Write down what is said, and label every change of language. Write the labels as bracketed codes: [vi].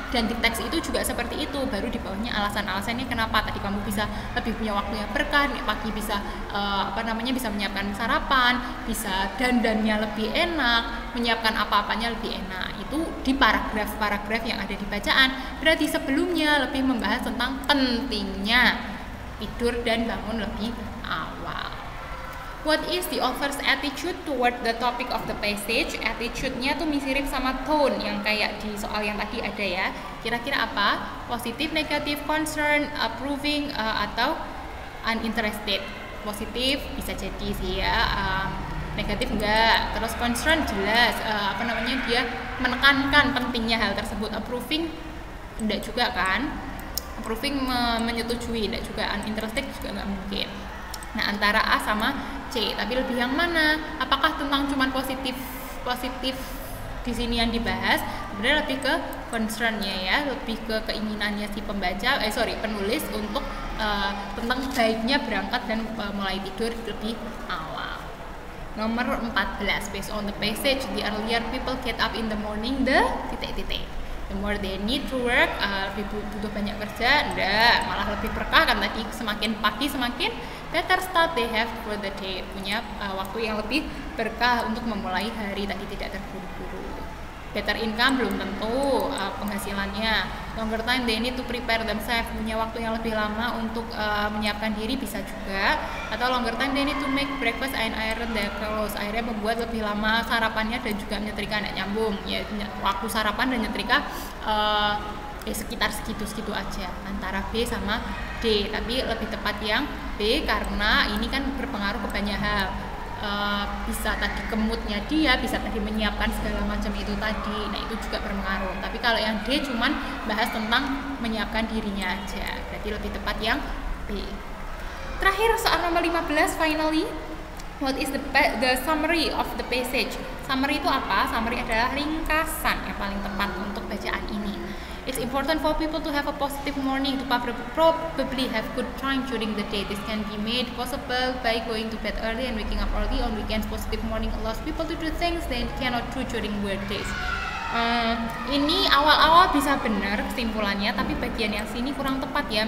[id] Dan di teks itu juga seperti itu, baru di bawahnya alasan-alasannya kenapa tadi kamu bisa lebih punya waktu yang berkah, pagi bisa bisa menyiapkan sarapan, bisa dandannya lebih enak, menyiapkan apa-apanya lebih enak. Itu di paragraf-paragraf yang ada di bacaan. Berarti sebelumnya lebih membahas tentang pentingnya tidur dan bangun lebih awal. [en] What is the author's attitude toward the topic of the passage? [id] Attitude-nya tuh mirip sama tone yang kayak di soal yang tadi ada ya. Kira-kira apa? [en] Positive, negative, concern, approving, [id] atau [en] uninterested? [id] Positive bisa jadi sih ya. Negative enggak. Terus concern jelas. Dia menekankan pentingnya hal tersebut. Approving enggak juga kan? Approving menyetujui enggak juga. Uninterested juga enggak mungkin. Nah, antara A sama C, tapi lebih yang mana? Apakah tentang cuman positif di sini yang dibahas? Sebenarnya lebih ke concern-nya ya, lebih ke keinginannya si penulis untuk tentang baiknya berangkat dan mulai tidur lebih awal. nomor 14, [en] based on the passage, the earlier people get up in the morning, the [id] titik-titik. [en] The more they need to work, [id] lebih butuh banyak kerja, enggak, malah lebih berkah kan tadi, semakin pagi, semakin [en] better start they have for the day, [id] punya waktu yang lebih berkah untuk memulai hari, tadi tidak terburu-buru. [en] Better income [id] belum tentu penghasilannya. [en] Longer time they need to prepare themselves, [id] punya waktu yang lebih lama untuk menyiapkan diri bisa juga. Atau [en] longer time they need to make breakfast and iron their clothes, [id] akhirnya membuat lebih lama sarapannya dan juga menyetrika, enggak nyambung. Ya, waktu sarapan dan menyetrika sekitar segitu-segitu aja antara B sama D, tapi lebih tepat yang B karena ini kan berpengaruh ke banyak hal. Bisa tadi kemutnya dia, bisa tadi menyiapkan segala macam itu tadi. Nah itu juga berpengaruh. Tapi kalau yang D cuman bahas tentang menyiapkan dirinya aja, berarti lebih tepat yang B. Terakhir soal nomor 15, [en] finally, what is the summary of the passage? [id] Summary itu apa? Summary adalah ringkasan yang paling tepat untuk bacaan ini. [en] It's important for people to have a positive morning, to probably have good time during the day. This can be made possible by going to bed early and waking up early on weekends. Positive morning allows people to do things they cannot do during work days. [id] Ini awal-awal bisa benar kesimpulannya, tapi bagian yang sini kurang tepat ya.